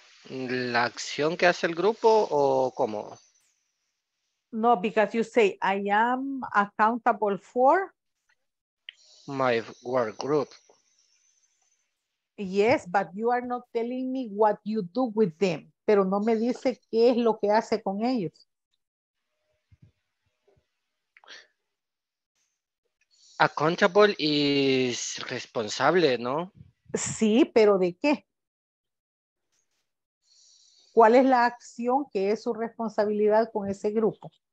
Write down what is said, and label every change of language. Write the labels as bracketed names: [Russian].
[Spanish] La acción que hace el grupo o cómo. [English] No, because you say I am accountable for my work group. Yes, but you are not telling me what you do with them. [Spanish] Pero no me dice qué es lo que hace con ellos. [English] Accountable is responsable, ¿no? [Spanish] Sí, pero ¿de qué? ¿Cuál es la acción que es su responsabilidad con ese grupo?